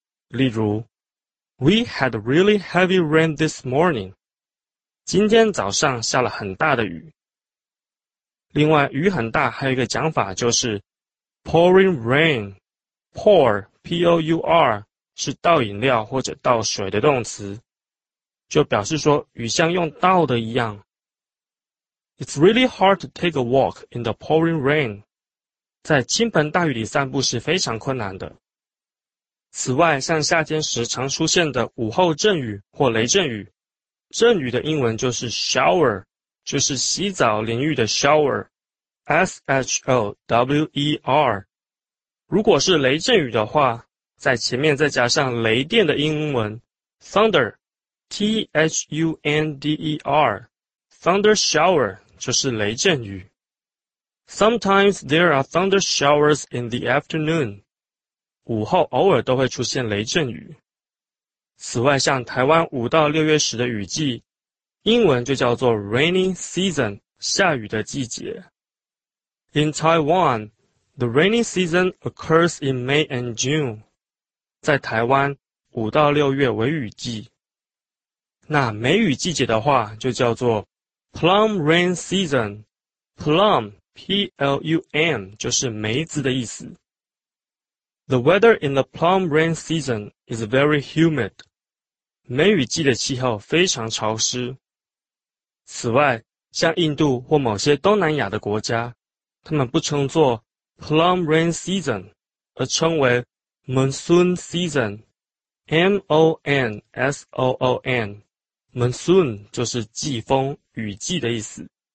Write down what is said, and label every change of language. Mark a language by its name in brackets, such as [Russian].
[Chinese] 例如 [English] ，We had really heavy rain this morning。 [Chinese] 今天早上下了很大的雨。另外，雨很大还有一个讲法就是 pouring rain。 pour P-O-U-R 是倒饮料或者倒水的动词，就表示说雨像用倒的一样。 [English] It's really hard to take a walk in the pouring rain。 [Chinese] 在倾盆大雨里散步是非常困难的。此外，像夏天时常出现的午后阵雨或雷阵雨，阵雨的英文就是 shower， 就是洗澡淋浴的 shower， S-H-O-W-E-R。如果是雷阵雨的话，在前面再加上雷电的英文 thunder， T-H-U-N-D-E-R， thunder shower 就是雷阵雨。 [English] Sometimes there are thunder showers in the afternoon。 [Chinese] 午后偶尔都会出现雷阵雨。此外，像台湾五到六月时的雨季，英文就叫做 rainy season， 下雨的季节。 [English] In Taiwan。 The rainy season occurs in May and June. [Chinese] 在台湾，五到六月为雨季。那梅雨季节的话，就叫做 plum rain season. Plum, P-L-U-M, 就是梅子的意思。 [English] The weather in the plum rain season is very humid. [Chinese] 梅雨季的气候非常潮湿。此外，像印度或某些东南亚的国家，他们不称作Plum rain season， 而称为 monsoon season， M-O-N-S-O-O-N， monsoon 就是季风、雨季的意思。